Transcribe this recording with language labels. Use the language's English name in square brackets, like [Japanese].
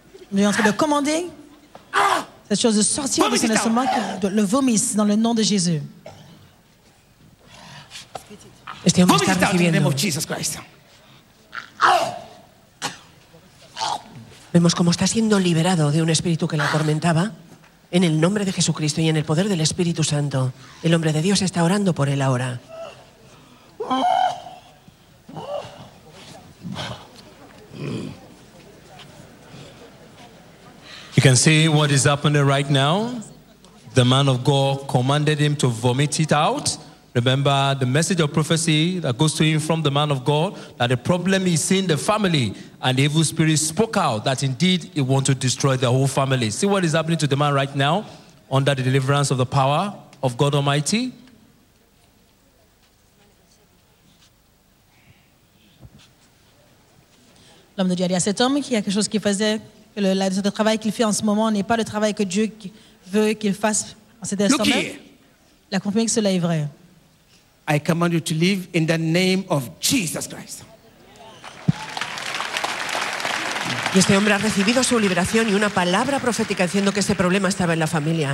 [French] Je suis en train de commander cette chose de sortir de son instrument, le vomisse dans le nom de Jésus. [English] Vomit it out in the name of Jesus Christ. [Spanish] Vemos cómo está siendo liberado de un espíritu que le atormentaba. En el nombre de Jesucristo y en el poder del Espíritu Santo, el hombre de Dios está orando por él ahora. [English] You can see what is happening right now. The man of God commanded him to vomit it out. Remember the message of prophecy that goes to him from the man of God, that the problem is in the family, and the evil spirit spoke out that indeed he wanted to destroy the whole family. See what is happening to the man right now under the deliverance of the power of God Almighty. [French] L'homme de Dieu a dit à cet homme qu'il y a quelque chose qui faisait que le travail qu'il fait en ce moment n'est pas le travail que Dieu veut qu'il fasse en cet instant même. Il a confirmé que cela est vrai. [English] I command you to leave in the name of Jesus Christ. [Spanish] Y este hombre ha recibido su liberación y una palabra profética diciendo que ese problema estaba en la familia.